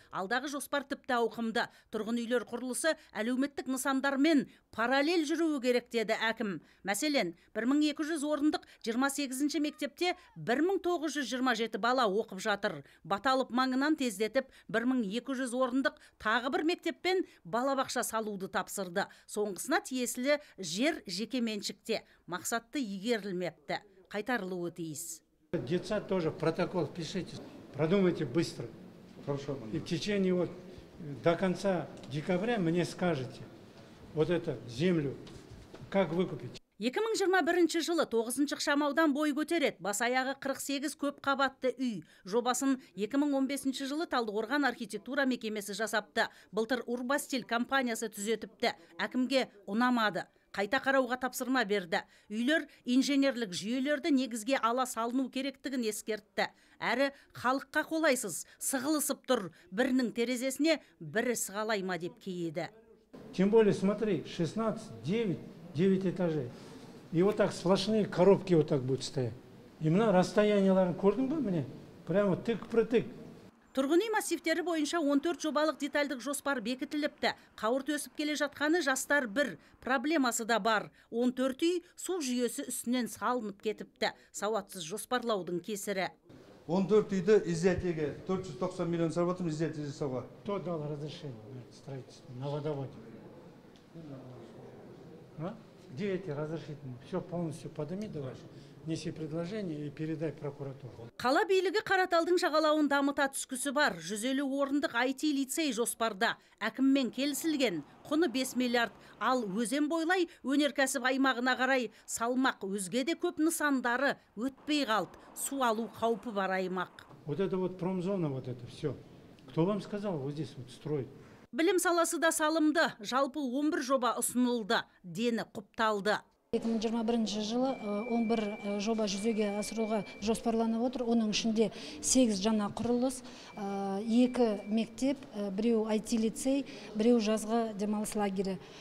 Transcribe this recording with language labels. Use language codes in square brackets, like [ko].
[kk] Алдағы жоспар тіпті ауқымды. Тұрғын үйлер құрылысы әлеуметтік нысандармен параллель жүруі керек деді әкім. Мәселен, 1200 орындық 28 мектепте 1927 бала оқып жатыр. Баталып маңынан тездетіп, 1200 орындық тағы бір мектеппен балабақша салуды тапсырды. Соңғысына тиесілі жер жеке меншікте. Мақсатты игерілмепті. Қайтарылуы тиіс. [ru] Детсад тоже протокол пишите. Продумайте быстро. Хорошо. И в течение вот до конца декабря мне скажете вот эту землю, как выкупить. [kk] 2021 жылы 9-шы шамаудан бой көтерет, басаяғы 48 көп қабатты үй. Жобасын 2015 жылы Талдықорған архитектура мекемесі жасапты. Былтыр Урбастиль компаниясы түзетіпті. Әкімге ұнамады. Қайта қарауға тапсырма берді. Үйлер инженерлік жүйелерді негізге ала салыну керектігін ескертті. Әрі халыққа қолайсыз, сығылысып тұр. Бірінің терезесіне бірі сығалай ма деп кейеді. [ru] Тем более, смотри, 16, 9 этажей. И вот так сплошные коробки вот так будут стоять. Именно расстояние, [kk] көрдің бе мені? [ru] Прямо тык-притык. [kk] Тұрғын үй массивтері бойынша 14 жобалық детальдік жоспар бекітіліпті. Қауырт өсіп келе жатқаны жастар бір. Проблемасы да бар. 14 үй су жүйесі үстінен салынып кетіпті. Сауатсыз жоспарлаудың кесірі. 14 үйді изъятиеге 490 миллион сарып отырмыз изъятие жасауға. [ru] Кто дал разрешение строительство на водоводе? Где эти разрешительные? Все полностью подними, давай. Неси предложение и передай прокуратуру. [kk] Қала билігі Қараталдың жағалауын дамыта түскісі бар. 150 орындық IT-лицей жоспарда. Әкіммен келісілген. Құны 5 миллиард. Ал өзен бойлай өнеркәсіп аймағына қарай салмақ. Өзге де көп нысандары өтпей қалды. Су алу қаупы бар аймақ. [ru] Вот это вот промзона, вот это все. Кто вам сказал, вот здесь вот строить? [kk] Білім саласы да салымды, жалпы 11 жоба ұсынылды, дені құпталды. 2021 жылы 11 жоба жүзеге асыруға жоспарланып отыр. Оның ішінде 8 жаңа құрылыс, 2 мектеп, біреу IT-лицей, біреу жазғы демалыс лагері.